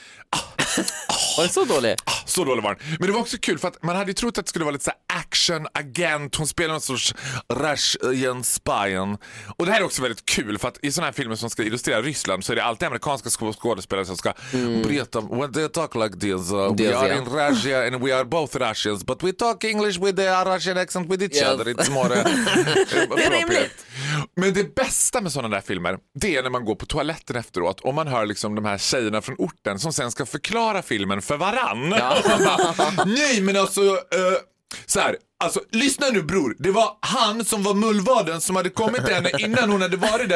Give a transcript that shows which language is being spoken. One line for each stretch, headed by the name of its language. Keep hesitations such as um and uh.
Swedish: Alltså, var oh, den så dålig? Oh, så dålig var den. Men det var också kul för att man hade ju trott att det skulle vara lite action-agent. Hon spelar någon sorts Russian spion. Och det här är också väldigt kul för att i sådana här filmer som ska illustrera Ryssland så är det alltid amerikanska skådespelare som ska mm. berätta.
English: When they talk like this, this we are yeah. in Russia and we are both Russians but we talk English with a Russian accent with each other. It's more appropriate.
Swedish: Men det bästa med sådana där filmer det är när man går på toaletten efteråt och man hör liksom de här tjejerna från orten som sen ska förklara förklara filmen för varann. Ja. Nej, men alltså... Uh... Så här, alltså, lyssna nu bror. Det var han som var mullvaden som hade kommit till henne innan hon hade varit där.